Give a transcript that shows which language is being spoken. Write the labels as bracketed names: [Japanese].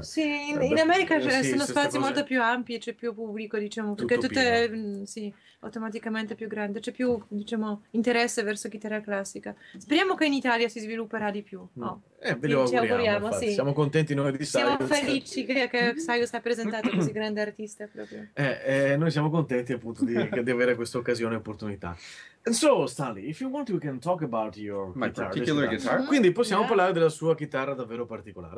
[Italian] sì, in America sono spazi molto più ampi, c'è più pubblico, diciamo, perché tutto è sì, automaticamente più grande, c'è più, diciamo, interesse verso chitarra classica. Speriamo che in Italia si svilupperà di più. Ve lo auguriamo, sì. Siamo contenti noi di Saius. Siamo felici che Saius ha presentato così grande artista proprio. Noi siamo contenti appunto di avere questa occasione e opportunità. [English] And so, Stanley, if you want, we can talk about your guitar. Particular guitar. Mm-hmm. [Italian] Quindi possiamo parlare della sua chitarra davvero particolare.